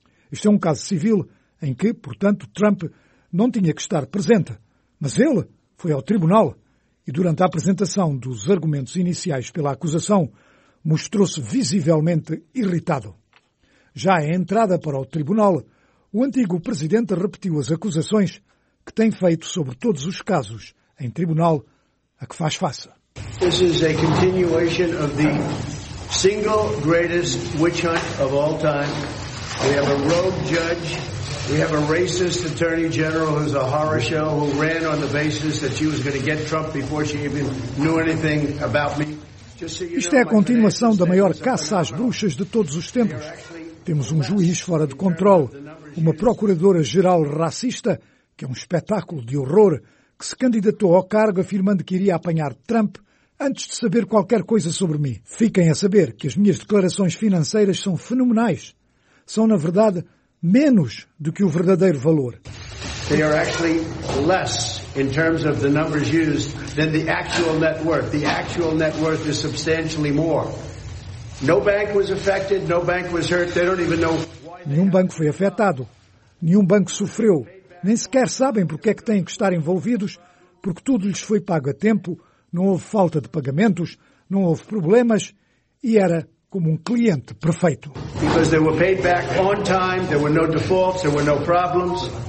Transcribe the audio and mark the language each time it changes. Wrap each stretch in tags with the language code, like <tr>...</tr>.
<pt>Este é um caso civil em que, portanto, Trump não tinha que estar presente, mas ele foi ao tribunal e, durante a apresentação dos argumentos iniciais pela acusação, mostrou-se visivelmente irritado. Já à entrada para o tribunal, o antigo presidente repetiu as acusações que tem feito sobre todos os casos em tribunal a que faz face.</pt> <en>This is a continuation of the single greatest witch hunt of all time. We have a rogue judge. We have a racist attorney general who's a horror show who ran on the basis that she was going to get Trump before she even knew anything about me.</en> <pt>Isto é a continuação da maior caça às bruxas de todos os tempos. Temos um juiz fora de controle, uma procuradora-geral racista, que é um espetáculo de horror, que se candidatou ao cargo afirmando que iria apanhar Trump antes de saber qualquer coisa sobre mim. Fiquem a saber que as minhas declarações financeiras são fenomenais. São, na verdade, menos do que o verdadeiro valor.</pt> <en>They are actually less in terms of the numbers used than the actual net worth. The actual net worth is substantially more. No bank was affected, no bank was hurt. They don't even know why.</en> <pt>Nenhum banco foi afetado. Nenhum banco sofreu. Nem sequer sabem porque é que têm que estar envolvidos, porque tudo lhes foi pago a tempo, não houve falta de pagamentos, não houve problemas e era como um cliente perfeito.</pt> <en>Because they were paid back on time, there were no defaults, there were no problems.</en>